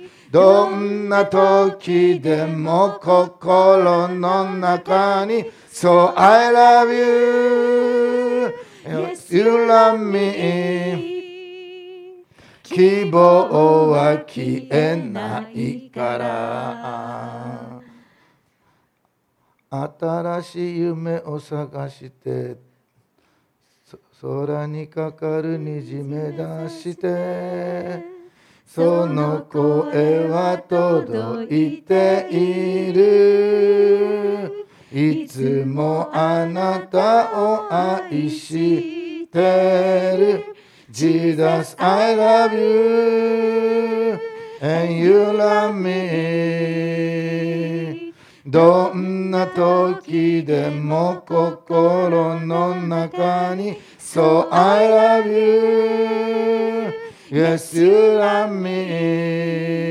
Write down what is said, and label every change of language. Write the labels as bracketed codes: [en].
[ja] どんな時でも心の中に [en] So I love you, you love me. [ja] 希望は消えないから、新しい夢を探して、空にかかる虹目指して、その声は届いている、いつもあなたを愛してる。 [en] Jesus, I love you and you love me. [ja] どんな時でも心の中に [en] So I love youYes, you love me.